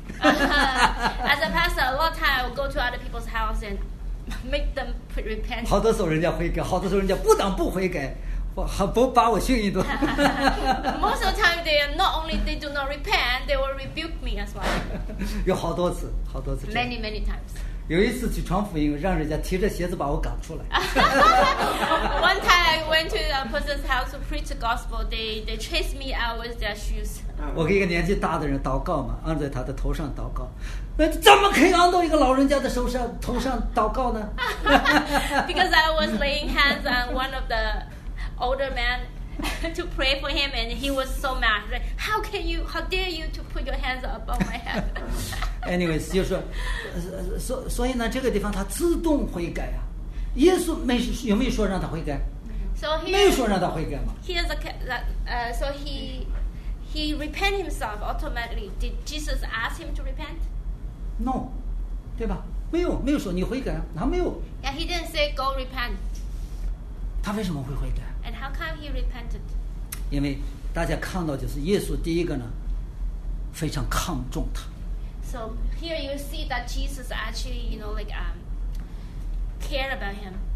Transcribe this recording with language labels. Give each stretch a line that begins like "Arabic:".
English: As a pastor, a lot of time I would go to other people's house and make them repent.
Chinese: 好多时候人家悔改，好多时候人家不但不悔改，不把我训一顿。
English: Most of the time, they do not repent, they will rebuke me as well.
Chinese: 有好多次，好多次。
English: Many, many times.
Chinese: 有一次去传福音，让人家提着鞋子把我赶出来。
English: One time I went to a person's house to preach the gospel. They chased me out with their shoes.
Chinese: 我跟一个年纪大的人祷告嘛，按在他的头上祷告。怎么可以按到一个老人家的头上祷告呢？
English: Because I was laying hands on one of the older men to pray for him, and he was so mad. Like, how dare you to put your hands above my head? Anyways,
Chinese: 就是所以呢，这个地方他自动悔改啊。耶稣有没有说让他悔改？
English: So、
Chinese: 没有说让他悔改吗
English: ？He is a so he repent himself automatically. Did Jesus ask him to repent? No,
Chinese: 对吧？没有说你悔改，他没有。
English: Yeah, he didn't say go repent.
Chinese: 他为什么会悔改
English: ？And how come he repented?
Chinese: 因为大家看到就是耶稣第一个呢，非常看重他。
English: So here you see that Jesus actually, cared about him.